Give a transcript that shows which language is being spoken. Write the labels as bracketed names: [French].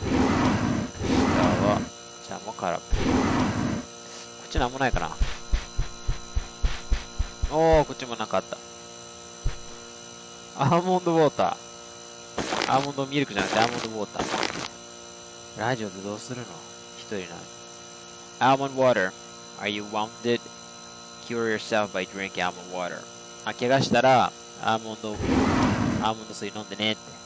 [Japanese] 下は、じゃあもう空っぽ。こっちなんもないかな。おー、こっちもなかった。アーモンドウォーター。アーモンドミルクじゃなくてアーモンドウォーター。ラジオでどうするの？一人なのに。アーモンドウォーター。 [English] Are you wounded? Cure yourself by drinking almond water. [Japanese] あ、怪我したら、アーモンド水飲んでねって。